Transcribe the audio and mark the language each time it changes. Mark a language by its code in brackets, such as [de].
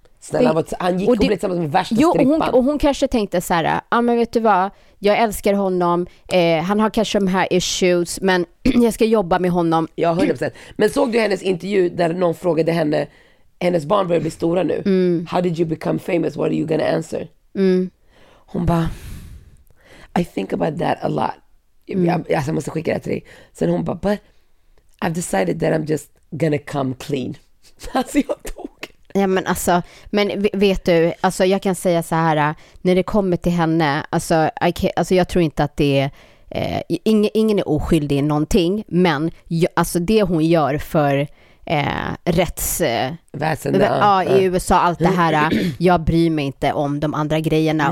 [sv] Snälla, hon blev tillsammans med värsta strippan. Och hon kanske tänkte så här, men vet du vad? Jag älskar honom. Han har kanske de här issues, men jag ska jobba med honom. Ja, 100%. Men såg du hennes intervju där någon frågade henne, hennes barn börjar bli stora nu. Mm. [en] How did you become famous? What are you gonna answer? Mm. [sv] Hon bara... [en] I think about that a lot. [sv] Jag måste skicka det till dig. Sen hon bara, [en] but I've decided that I'm just gonna come clean. [sv] Alltså jag tog. Ja, men alltså, men vet du, alltså jag kan säga så här, när det kommer till henne, alltså jag tror inte att det är, ingen är oskyldig i någonting, men alltså det hon gör för rättsväsendet i USA, allt det här, jag bryr mig inte om de andra grejerna.